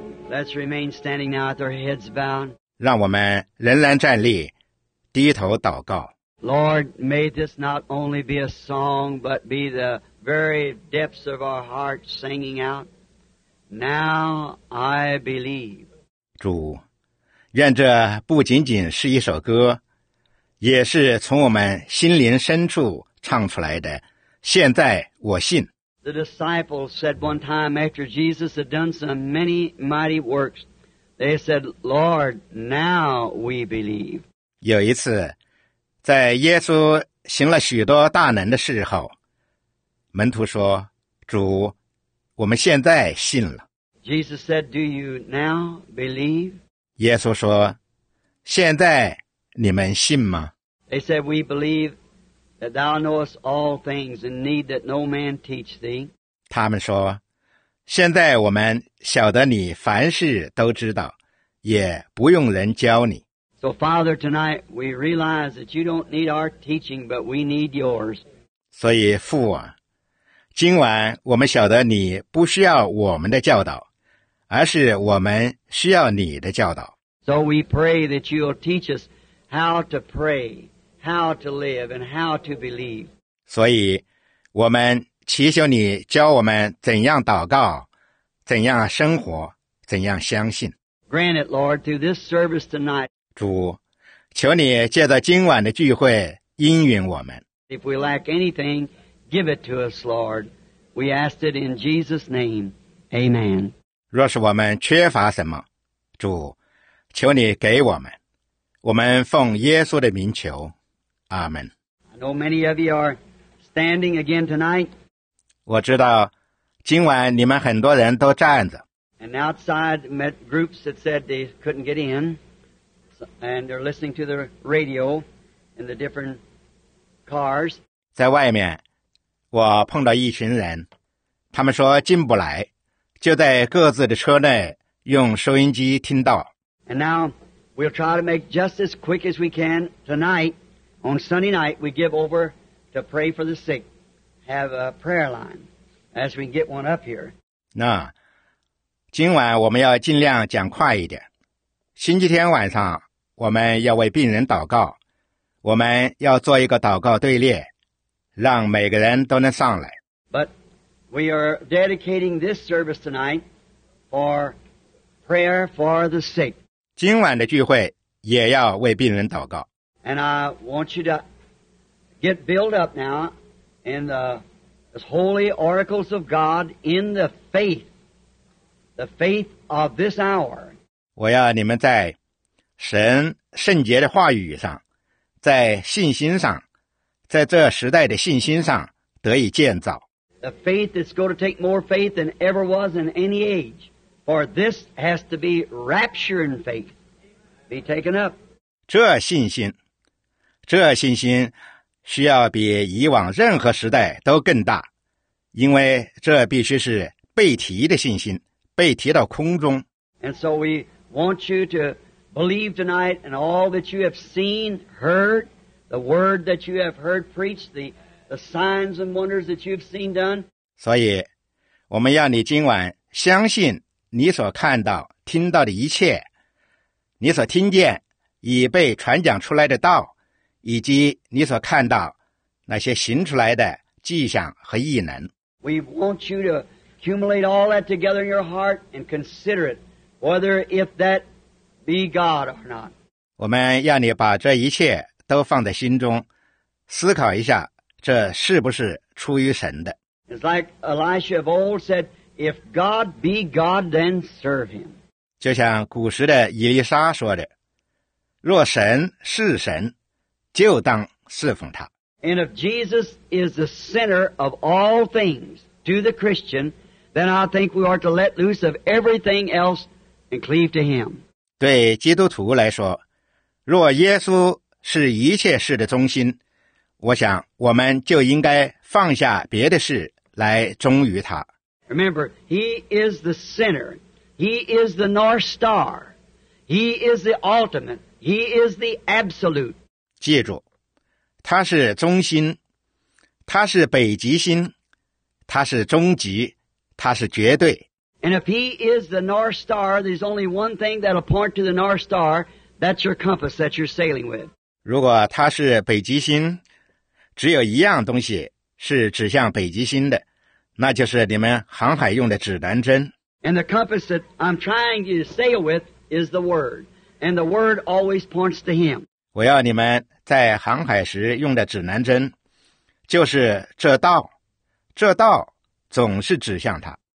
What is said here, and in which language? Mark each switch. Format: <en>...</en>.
<en>Let's remain standing now with their heads bound.</en> <zh>让我们仍然站立，低头祷告。</zh> <en>Lord, may this not only be a song, but be the very depths of our hearts singing out, Now I believe.</en> <zh>主，愿这不仅仅是一首歌，也是从我们心灵深处唱出来的，现在我信。</zh> <en>The disciples said one time after Jesus had done some many mighty works, they said, Lord, now we believe.</en> <zh>有一次在耶稣行了许多大能的时候，门徒说：“主，我们现在信了。”</zh> <en>Jesus said, "Do you now believe?"</en> <zh>耶稣说：“现在你们信吗？”</zh> <en>They said, "We believe that thou knowest all things and need that no man teach thee."</en> <zh>他们说：“现在我们晓得你凡事都知道，也不用人教你。”</zh> <en>So Father, tonight we realize that you don't need our teaching, but we need yours.</en> <zh>所以父啊，今晚我们晓得你不需要我们的教导，而是我们需要你的教导。</zh> <en>So we pray that you will teach us how to pray, how to live, and how to believe.</en> <zh>所以我们祈求你教我们怎样祷告，怎样生活，怎样相信。</zh> <en>Grant it, Lord, through this service tonight.</en> <zh>主，求你借着今晚的聚会应允我们。</zh> <en>If we lack anything, give it to us, Lord. We ask it in Jesus' name. Amen.</en> <zh>若是我们缺乏什么，主，求你给我们。我们奉耶稣的名求，阿门。</zh> <en>I know many of you are standing again tonight.</en> <zh>我知道，今晚你们很多人都站着。</zh> <en>And outside met groups that said they couldn't get in. And they're listening to the radio in the different cars.</en> <zh>在外面，我碰到一群人，他们说进不来，就在各自的车内用收音机听到。</zh> <en>And now we'll try to make just as quick as we can tonight. On Sunday night, we give over to pray for the sick. Have a prayer line as we get one up here.</en> <zh>那今晚我们要尽量讲快一点。星期天晚上我们要为病人祷告，我们要做一个祷告队列，让每个人都能上来。</zh> <en>But we are dedicating this service tonight for prayer for the sick.</en> <zh>今晚的聚会也要为病人祷告。</zh> <en>And I want you to get built up now in the holy oracles of God in the faith of this hour.</en> <zh>我要你们在神圣洁的话语上，在信心上，在这时代的信心上得以建造。</zh> <en>The faith is going to take more faith than ever was in any age, for this has to be rapturing faith, be taken up.</en> <zh>这信心需要比以往任何时代都更大，因为这必须是被提的信心，被提到空中。</zh> <en>And so we want you to believe tonight in all that you have seen, heard, the word that you have heard preached, the signs and wonders that you have seen done.</en> <zh>所以，我们要你今晚相信你所看到、听到的一切，你所听见已被传讲出来的道，以及你所看到那些行出来的迹象和异能。</zh> <en>We want you to accumulate all that together in your heart and consider it, whether if that be God or not.</en> <zh>我们要你把这一切都放在心中，思考一下这是不是出于神的。</zh> <en>It's like Elisha of old said, if God be God, then serve him.</en> <zh>就像古时的以利沙说的，若神是神，就当侍奉他。</zh> <en>And if Jesus is the center of all things to the Christian, then I think we are to let loose of everything else and cleave to him.</en> <zh>对基督徒来说，若耶稣是一切事的中心，我想我们就应该放下别的事来忠于他。</zh> <en>Remember, he is the center. He is the North Star. He is the ultimate. He is the absolute.</en> <zh>记住，他是中心，他是北极星，他是终极，他是绝对。</zh> <en>And if he is the North Star, there's only one thing that'll point to the North Star, that's your compass that you're sailing with.</en> <zh>如果他是北极星，只有一样东西是指向北极星的，那就是你们航海用的指南针。</zh> <en>And the compass that I'm trying to sail with is the Word. And the Word always points to him.</en> <zh>我要你们在航海时用的指南针，就是这道，这道总是指向它。</zh>